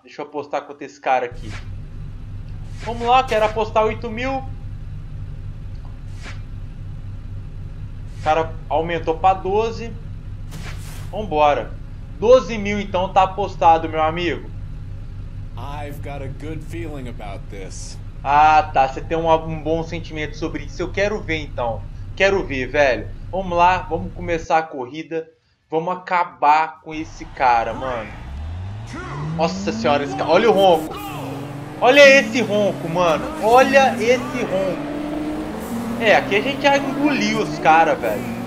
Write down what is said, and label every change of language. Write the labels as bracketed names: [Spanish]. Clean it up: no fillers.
[Portuguese] Deixa eu apostar contra esse cara aqui. Vamos lá, quero apostar 8 mil. O cara aumentou para 12. Vambora. 12 mil então tá apostado, meu amigo. [English] I've got a good feeling about this. [Portuguese] Ah, tá. Você tem um bom sentimento sobre isso. Eu quero ver então. Quero ver, velho. Vamos lá, vamos começar a corrida. Vamos acabar com esse cara, mano. Nossa senhora, esse cara. Olha o ronco. Olha esse ronco, mano. Olha esse ronco. É, aqui a gente já engoliu os caras, velho.